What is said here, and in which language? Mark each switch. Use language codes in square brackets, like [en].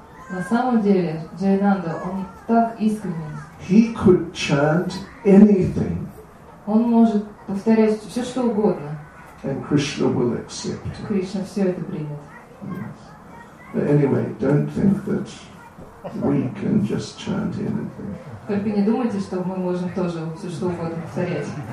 [ru] На самом деле, Джайананда, он так искренен. [en] He could chant anything. [ru] Он может повторять все, что угодно. [en] And Krishna will accept it. [ru] Кришна все это примет. [en] Yes. But anyway, don't think that we can just chant anything. [ru] Только не думайте, что мы можем тоже все, что угодно повторять.